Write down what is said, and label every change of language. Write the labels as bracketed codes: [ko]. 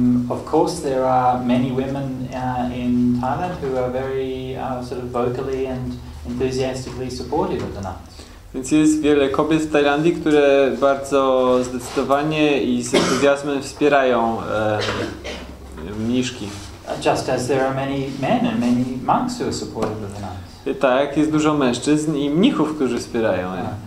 [en] Of course, there are many women in Thailand who are very sort of vocally and enthusiastically supportive of the nuns. [pl] Więc jest wiele kobiet w Tajlandii, które bardzo zdecydowanie i z entuzjazmem wspierają mniszki. [en] Just as there are many men and many monks who are supportive of the nuns. [pl] Tak, jest dużo mężczyzn i mnichów, którzy wspierają je.